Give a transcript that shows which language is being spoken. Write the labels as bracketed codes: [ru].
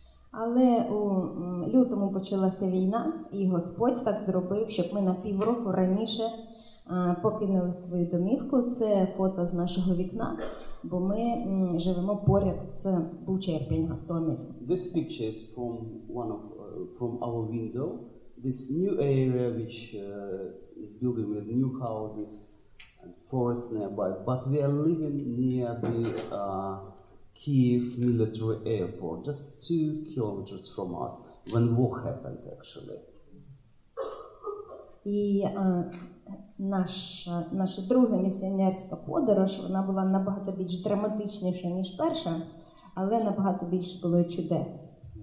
[uk] Але у лютому почалася війна, і Господь так зробив, щоб ми на півроку раніше покинули свою домівку. Це фото з нашого вікна, бо ми живемо поряд з Бучею, Пінгастоміль. [en] This picture is from from our window. This new area which is building with new houses and forests nearby, but we are living near the Kyiv military airport, just 2 kilometers from us, when war happened, actually. [uk] І наша друга місіонерська подорож, вона була набагато більш драматичніша, ніж перша, але набагато більше було чудес.